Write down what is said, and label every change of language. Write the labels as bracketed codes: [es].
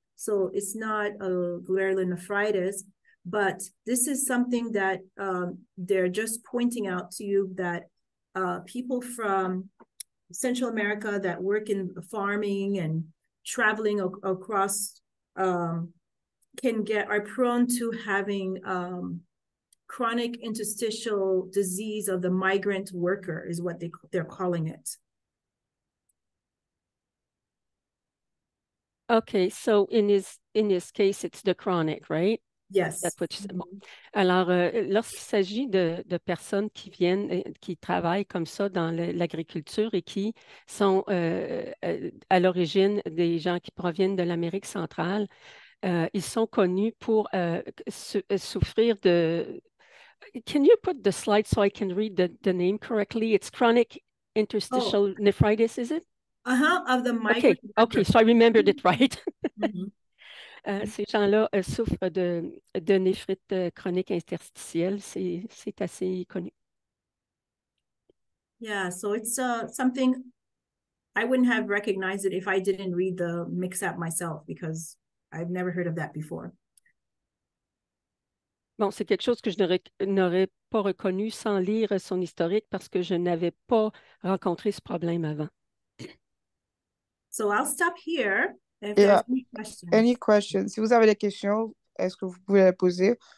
[en] So it's not a glomerulonephritis, but this is something that they're just pointing out to you that people from Central America that work in farming and traveling across can get are prone to having chronic interstitial disease of the migrant worker is what they're calling it. Okay, so in his case, it's the chronic, right? Yes. That's what you said. Bon. [fr] Alors, lorsqu'il s'agit de personnes qui viennent, qui travaillent comme ça dans l'agriculture et qui sont à l'origine des gens qui proviennent de l'Amérique centrale, ils sont connus pour souffrir de. [en] Can you put the slide so I can read the name correctly? It's chronic Oh. interstitial nephritis, is it? Of the migraine. Okay, so I remembered it right. [fr] ces gens-là souffrent de néphrite chronique interstitielle, c'est assez connu. [en] Yeah, so it's something I wouldn't have recognized it if I didn't read the mix-up myself because I've never heard of that before. [fr] Bon, c'est quelque chose que je n'aurais pas reconnu sans lire son historique parce que je n'avais pas rencontré ce problème avant. [en] So I'll stop here if there's Yeah. any questions. Any questions? [fr] Si vous avez des questions, est-ce que vous pouvez les poser?